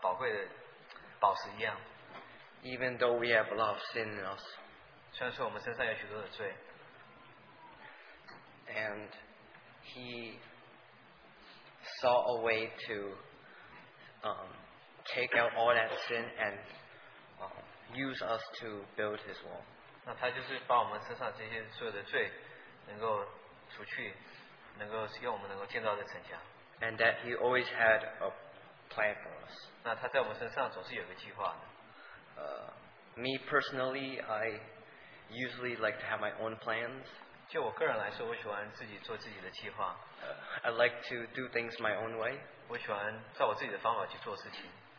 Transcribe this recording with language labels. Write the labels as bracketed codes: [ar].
[zh] 那星期五，我们的所读到就是，他看到我们是像这个宝贵的宝石一样。 [en] Even though we have a lot of sin in us. [zh] 虽然说我们身上有许多的罪。 [en] And he saw a way to take out all that sin and use us to build his wall. [zh] 那他就是把我们身上这些所有的罪能够除去。 [en] And that he always had a plan for us. [zh] 那他在我们身上总是有个计划的。 [en] Me personally, I usually like to have my own plans. [zh] 就我个人来说，我喜欢自己做自己的计划。 [en] I like to do things my own way. [zh] 我喜欢照我自己的方法去做事情。